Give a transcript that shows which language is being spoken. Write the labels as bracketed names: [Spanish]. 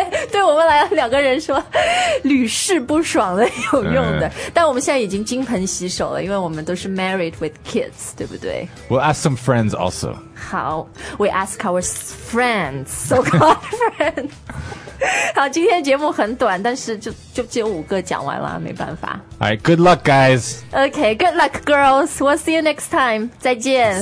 [Chinese] 对我们来两个人说屡试不爽的有用的、但我们现在已经金盆洗手了，因为我们都是 [English] married with kids, [Chinese] 对不对？ [English] We'll ask some friends also. 好， we ask our friends, so-called friends. [Chinese] 好，今天节目很短，但是就只有五个讲完了，没办法。 [English] Alright, good luck guys. Okay, good luck girls. We'll see you next time. [Chinese] 再见。